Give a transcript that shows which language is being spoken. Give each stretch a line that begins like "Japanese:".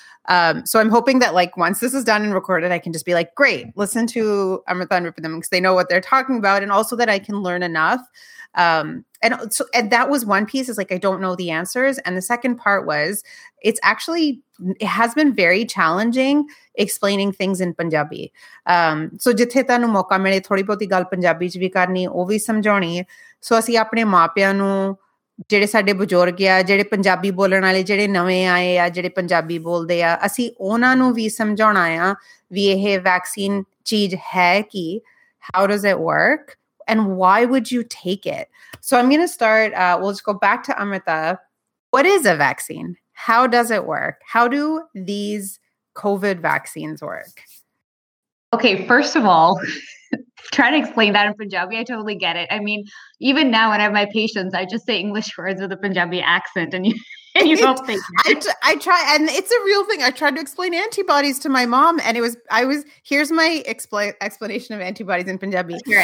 English: So I'm hoping that like once this is done and recorded, I can just be like, great, listen to Amrita and Rupa them because they know what they're talking about. And also that I can learn enough. And that was one piece is like, I don't know the answers. And the second part was, it has been very challenging explaining things in Punjabi.
Punjabi: So jithe tanu mauka mile thodi bohti gal Punjabi ch vi karni, oh vi samjhauni. So asi apne maapiyan nu, ਜਿਹੜੇ ਸਾਡੇ ਬਜ਼ੁਰਗ ਆ ਜਿਹੜੇ ਪੰਜਾਬੀ ਬੋਲਣ ਵਾਲੇ ਜਿਹੜੇ ਨਵੇਂ ਆਏ ਆ ਜਿਹੜੇ ਪੰਜਾਬੀ ਬੋਲਦੇ ਆ ਅਸੀਂ ਉਹਨਾਂ ਨੂੰ ਵੀ ਸਮਝਾਉਣਾ ਆ ਵੀ ਇਹ ਵੈਕਸੀਨ ਚੀਜ਼ ਹੈ ਕਿ
English: How does it work and why would you take it so I'm going to start we'll just go back to Amrita what is a vaccine how does it work how do these COVID vaccines work okay first of all Try to explain that in Punjabi. I totally get it. I mean, even now when I have my patients, I just say English words with a Punjabi accent and you don't think. I try, and it's a real thing. I tried to explain antibodies to my mom and here's my explanation of antibodies in Punjabi.